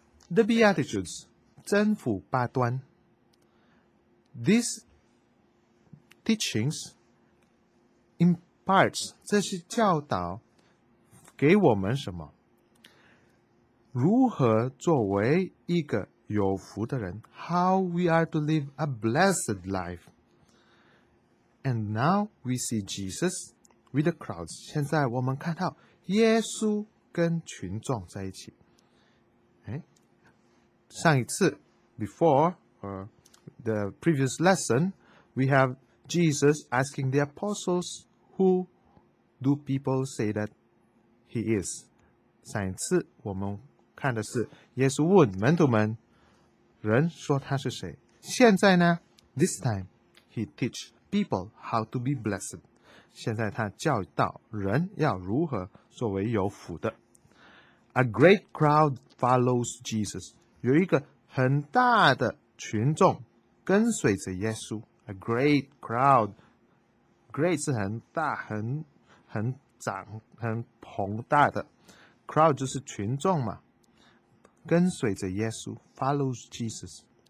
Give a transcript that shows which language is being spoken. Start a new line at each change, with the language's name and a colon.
Chinese: The Beatitudes, 真福八端
English: These teachings,Imparts,
Chinese: 这是教导给我们什么？如何作为一个有福的人
English: ?How we are to live a blessed life? And now we see Jesus with the crowds.
Chinese: 现在我们看到耶稣跟群众在一起。上一次
English: before, or the previous lesson, we have Jesus asking the apostles,Who do people say that he is?
Chinese: 上一次我们看的是耶稣问门徒们，人说他是谁。现在呢
English: ？This time he teach people how to be blessed.
Chinese: 现在他教导人要如何作为有福的。
English: A great crowd follows Jesus.
Chinese: 有一个很大的群众跟随着耶稣。 A great crowd. Great 是很大、很长、很庞大的 crowd 就是群众嘛，跟随着耶稣
English: follows Jesus.